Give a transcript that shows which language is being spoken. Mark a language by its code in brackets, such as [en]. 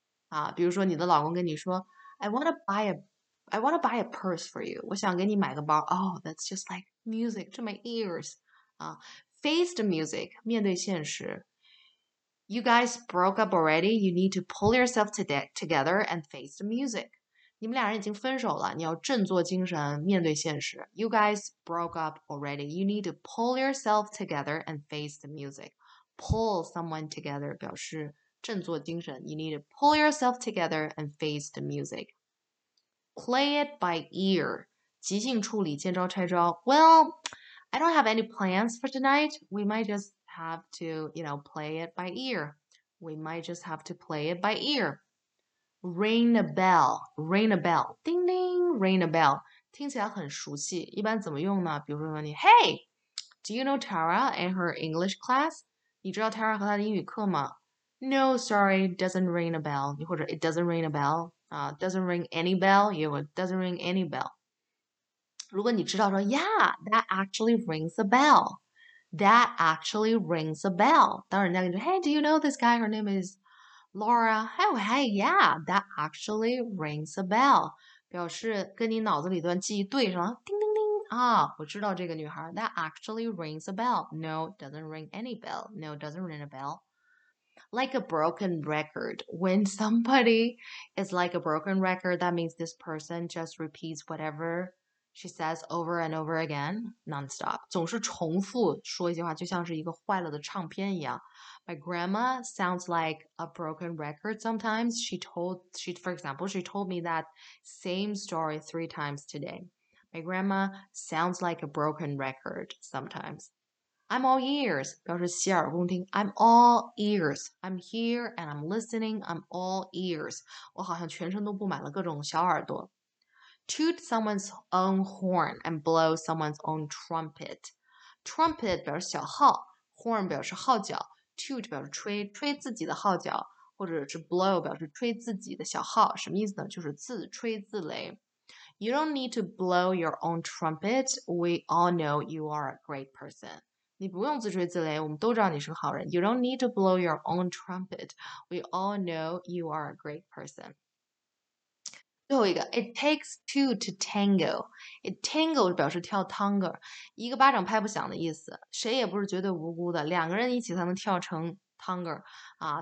[zh] 啊，比如说你的老公跟你说， [en] I wanna buy a purse for you. [zh] 我想给你买个包。 [en] Oh, that's just like music to my ears. 啊，face the music， [zh] 面对现实。 [en] You guys broke up already. You need to pull yourself together and face the music. [zh] 你们俩人已经分手了，你要振作精神，面对现实。 [en] You guys broke up already. You need to pull yourself together and face the music. Pull someone together [zh] 表示振作精神。 [en] You need to pull yourself together and face the music. Play it by ear. [zh] 即兴处理，见招拆招。 [en] Well, I don't have any plans for tonight. We might just have to, play it by ear. We might just have to play it by ear. Ring a bell, ding ding, ring a bell. [zh] 听起来很熟悉，一般怎么用呢？比如说你， [en] Hey, do you know Tara and her English class? [zh] 你知道 Tara 和她的英语课吗？ [en] No, sorry, doesn't ring a bell. 或者 it doesn't ring a bell. Doesn't ring any bell. 也有 doesn't ring any bell. 如果你知道说，Yeah, that actually rings a bell. That actually rings a bell. 当人家跟你说，Hey, do you know this guy? Her name is Laura. Oh, hey, yeah, that actually rings a bell. [zh] 表示跟你脑子里段记忆对上了，叮叮叮啊，我知道这个女孩。 [en] That actually rings a bell. No, doesn't ring any bell. No, doesn't ring a bell. Like a broken record. When somebody is like a broken record, that means this person just repeats whatever she says over and over again, nonstop. [zh] 总是重复说一句话，就像是一个坏了的唱片一样。 [en] My grandma sounds like a broken record sometimes. For example, she told me that same story 3 times today. My grandma sounds like a broken record sometimes. I'm all ears, [zh] 表示洗耳恭听。 [en] I'm all ears. I'm here and I'm listening. I'm all ears. [zh] 我好像全身都布满了各种小耳朵。 [en] Toot someone's own horn and blow someone's own trumpet. [zh] Trumpet 表示小号，horn 表示号角，toot 表示吹，吹自己的号角，或者是 blow 表示吹自己的小号，什么意思呢？就是自吹自擂。 [en] You don't need to blow your own trumpet. We all know you are a great person. [zh] 你不用自吹自擂，我们都知道你是个好人。 [en] You don't need to blow your own trumpet. We all know you are a great person. [zh] 最后一个， [en] It takes two to tango. [zh] It tango 表示跳 tango，一个巴掌拍不响的意思。谁也不是绝对无辜的，两个人一起才能跳成 tango 啊。